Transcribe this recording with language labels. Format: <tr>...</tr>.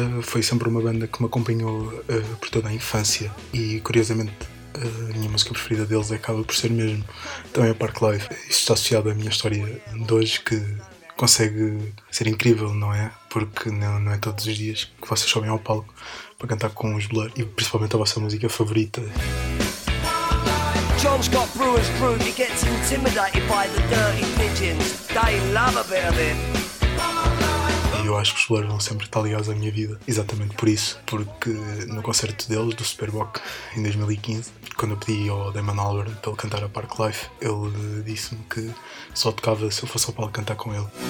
<pt>Foi sempre uma banda que me acompanhou por toda a infância e, curiosamente, a minha música preferida deles acaba por ser mesmo também a Park Life. Isto está associado à minha história de hoje, que consegue ser incrível, não é? Porque não é todos os dias que vocês sobem ao palco para cantar com os Blur e principalmente a vossa música favorita.</pt> <en>John's got Brewer's Brood, he gets intimidated by the dirty pigeons. They love a bit of it.</en> <pt>Eu acho que os Blur vão sempre estar ligados à minha vida, exatamente por isso, porque no concerto deles, do Superbock, em 2015, quando eu pedi ao Damon Albarn para ele cantar a Park Life, ele disse-me que só tocava se eu fosse ao palco cantar com ele.</pt>